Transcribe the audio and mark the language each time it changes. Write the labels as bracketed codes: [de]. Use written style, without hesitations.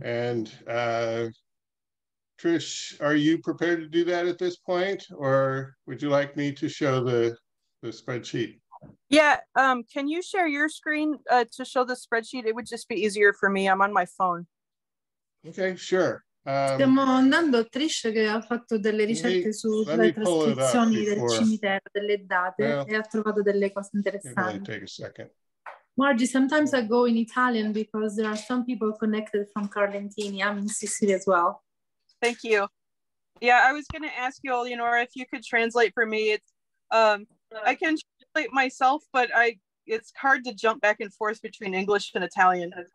[en] And Trish, are you prepared to do that at this point, or would you like me to show the spreadsheet? Yeah, can you share your screen to show the spreadsheet? It would just be easier for me. I'm on my phone. Okay, sure. [it] Stiamo andando a Trish che ha fatto delle ricerche sulle trascrizioni del cimitero, delle date, e ha trovato delle cose interessanti. [en] Margie, sometimes I go in Italian because there are some people connected from Carlentini. I'm in Sicily as well. Thank you. Yeah, I was going to ask you, Eleonora, if you could translate for me. I can translate myself, but it's hard to jump back and forth between English and Italian.